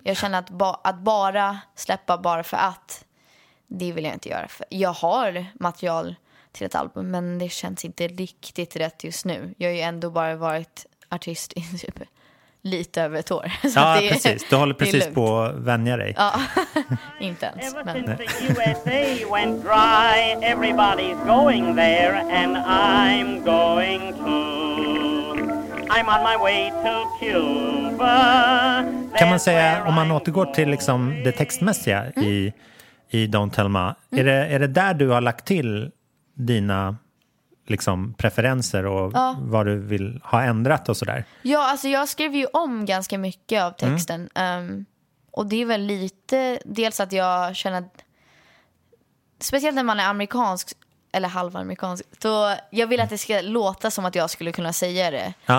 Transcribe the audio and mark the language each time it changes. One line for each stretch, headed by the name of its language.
Swedish: Jag känner att att bara släppa bara för att, det vill jag inte göra. Jag har material till ett album, men det känns inte riktigt rätt just nu. Jag har ju ändå bara varit artist i typ lite över ett år. Så ja, det, precis. Du håller precis på att vänja dig. Ja, inte ens. Men...
English: the USA went dry, everybody's going there and I'm going to. I'm on my way to Cuba.
Swedish: Kan man säga, om man återgår till liksom det textmässiga i Don't Tell Ma. Är det där du har lagt till dina liksom preferenser och vad du vill ha ändrat och sådär? Ja, alltså jag skrev ju om ganska mycket av texten. Och det är väl lite, dels att jag känner att, speciellt när man är amerikansk eller halvamerikansk, då jag vill att det ska låta som att jag skulle kunna säga det.